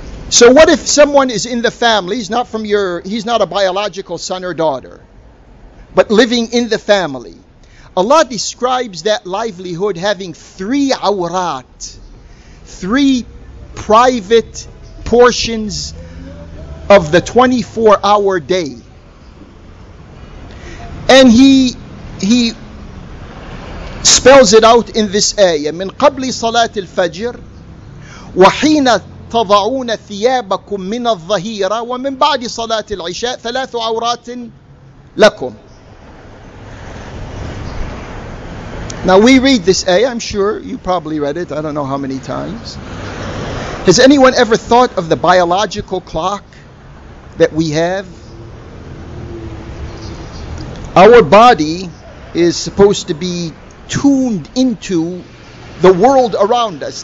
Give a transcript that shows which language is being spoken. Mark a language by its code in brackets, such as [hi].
[en] So what if someone is in the family, he's not from your, he's not a biological son or daughter, but living in the family. Allah describes that livelihood having three awrat, three private portions of the 24-hour day. And He spells it out in this ayah, [ar] من قبل صلاة الفجر وحين تضعون ثيابكم من الظهيرة ومن بعد صلاة العشاء ثلاث عورات لكم. [en] Now we read this ayah, I'm sure you probably read it, I don't know how many times. Has anyone ever thought of the biological clock that we have? Our body is supposed to be tuned into the world around us.